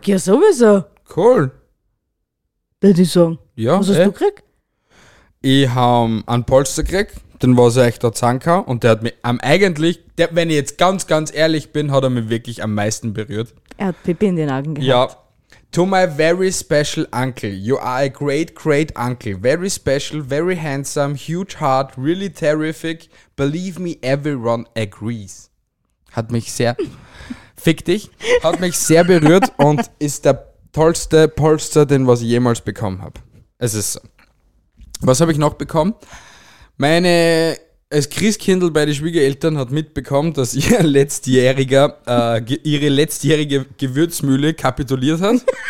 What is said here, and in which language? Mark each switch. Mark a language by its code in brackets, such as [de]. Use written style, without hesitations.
[de] Ich ja sowieso. Cool. Würde ich sagen. Ja, was hast du gekriegt? Ich habe einen Polster gekriegt, den was ich euch da zeigen kann. Und der hat mich eigentlich, der, wenn ich jetzt ganz, ganz ehrlich bin, hat er mich wirklich am meisten berührt. Er hat Pipi in den Augen gehabt. Ja. [en] To my very special uncle, you are a great, great uncle. Very special, very handsome, huge heart, really terrific. Believe me, everyone agrees. [de] Hat mich sehr, fick dich, hat mich sehr berührt und ist der tollste Polster, den was ich jemals bekommen habe. Es ist so. Was habe ich noch bekommen? Meine, als Christkindl bei den Schwiegereltern hat mitbekommen, dass ihr Letztjähriger, ihre letztjährige Gewürzmühle kapituliert hat.